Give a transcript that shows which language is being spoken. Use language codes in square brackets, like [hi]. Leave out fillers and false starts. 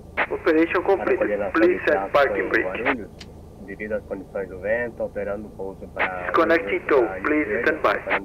[en] Operation complete, please set parking brake. [pt] Devido às condições do vento, alterando o pouso para... [en] Disconnecting tow, please stand by.